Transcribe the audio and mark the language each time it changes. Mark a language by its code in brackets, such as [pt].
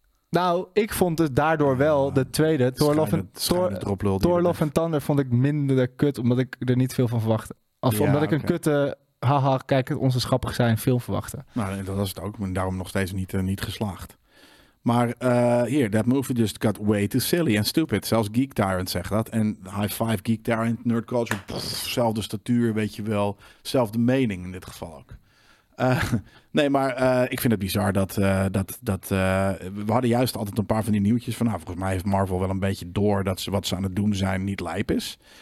[nl] Nou, ik vond het daardoor wel de tweede. Thor Love and Thunder vond ik minder kut, omdat ik er niet veel van verwachtte. Omdat ik een kutte, haha, kijk, onze schappig zijn, film verwachtte. Nou, dat was het ook. Maar daarom nog steeds niet geslaagd. Maar hier, [en] that movie just got way too silly and stupid. [nl] Zelfs Geek Tyrant zegt dat. En High Five Geek Tyrant, Nerd Culture, zelfde statuur, weet je wel. Zelfde mening in dit geval ook. Nee, maar ik vind het bizar dat... we hadden juist altijd een paar van die nieuwtjes van... Nou, volgens mij heeft Marvel wel een beetje door dat ze wat ze aan het doen zijn niet lijp is.